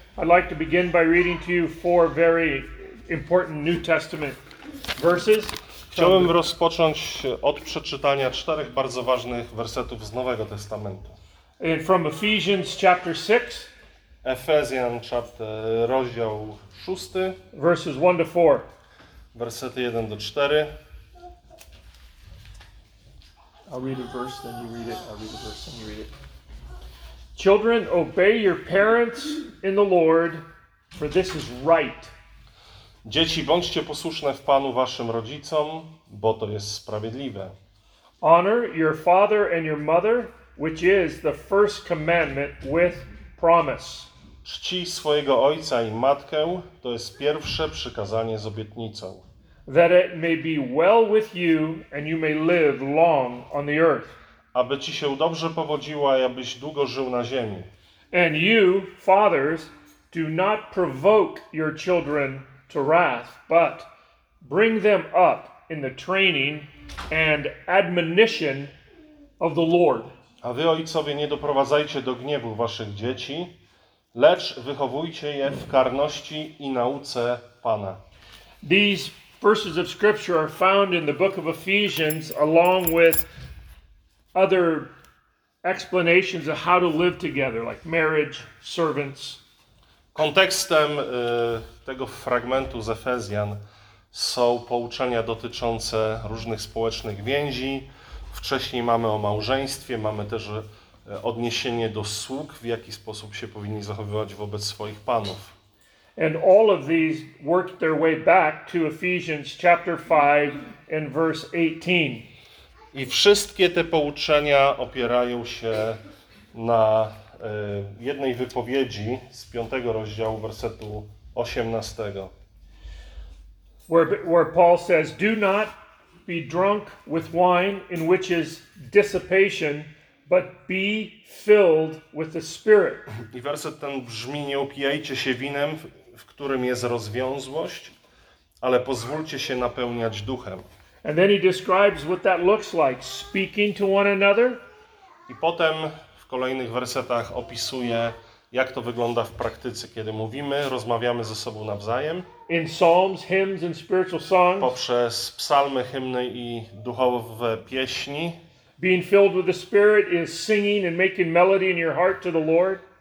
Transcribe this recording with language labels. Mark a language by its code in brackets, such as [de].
[en] I'd like to begin by reading to you four very important New Testament verses. [pl] Chciałbym rozpocząć od przeczytania czterech bardzo ważnych wersetów z Nowego Testamentu. [en] And from Ephesians chapter 6. [pl] Efezjan, rozdział 6. [en] Verses 1 to 4. [pl] Wersety 1 do 4. [en] I'll read a verse, then you read it. Children, obey your parents in the Lord, for this is right. [pl] Dzieci, bądźcie posłuszne w Panu waszym rodzicom, bo to jest sprawiedliwe. [en] Honor your father and your mother, which is the first commandment with promise. [pl] Czcij swojego ojca i matkę, to jest pierwsze przykazanie z obietnicą. [en] That it may be well with you and you may live long on the earth. [pl] Aby ci się dobrze powodziło, i abyś długo żył na ziemi. [en] And you, fathers, do not provoke your children to wrath, but bring them up in the training and admonition of the Lord. [pl] A wy, ojcowie, nie doprowadzajcie do gniewu waszych dzieci, lecz wychowujcie je w karności i nauce Pana. [en] These verses of scripture are found in the book of Ephesians along with other explanations of how to live together, like marriage, servants. [pl] Kontekstem tego fragmentu z Efezjan są pouczenia dotyczące różnych społecznych więzi. Wcześniej mamy o małżeństwie, mamy też odniesienie do sług, w jaki sposób się powinni zachowywać wobec swoich panów. [en] And all of these work their way back to Ephesians chapter 5 and verse 18. [pl] I wszystkie te pouczenia opierają się na jednej wypowiedzi z 5 rozdziału wersetu 18. [en] Where Paul says, "Do not be drunk with wine in which is dissipation, but be filled with the Spirit." [pl] I werset ten brzmi: nie upijajcie się winem, w którym jest rozwiązłość, ale pozwólcie się napełniać duchem. [en] And then he describes what that looks like, speaking to one another. [pl] I potem w kolejnych wersetach opisuje, jak to wygląda w praktyce, kiedy mówimy, rozmawiamy ze sobą nawzajem. [en] In psalms, hymns and spiritual songs. [pl] Poprzez psalmy, hymny i duchowe pieśni. [en] Being filled with the Spirit is singing and making melody in your heart to the Lord.